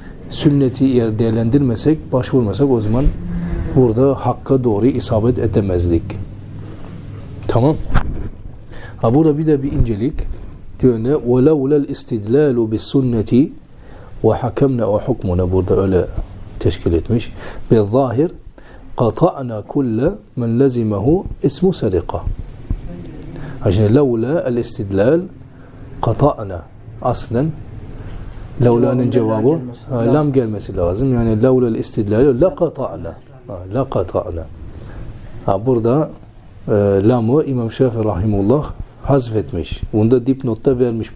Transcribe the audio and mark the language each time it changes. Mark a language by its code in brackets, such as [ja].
[tr] Sünneti eğer değerlendirmesek, başvurmasak o zaman burada hakka doğru isabet edemezdik. Tamam. Ha burada bir de bir incelik. Diyor ne? [ar] وَلَوْلَا الْاِسْتِدْلَالُ بِالسُنَّةِ وَحَكَمْنَا وَحُكْمُنَا [tr] Burada öyle teşkil etmiş. [ar] بِالظَّاهِرْ قَطَعْنَا كُلَّ مَنْ لَزِمَهُ اِسْمُ سَرِقَةً [tr] Şimdi [ar] لَوْلَا الْاِسْتِدْلَالِ قَطَعْنَا [tr] Aslen لَوْلَا'nın cevabı lam gelmesi lazım. Yani [ar] لَوْلَا الْاِسْتِدْلَالِ لَقَطَعْنَا La kat'a'na. [tr] Ha burada lamı İmam Şafii Rahimullah hazfetmiş. Bunu da dipnotta vermiş.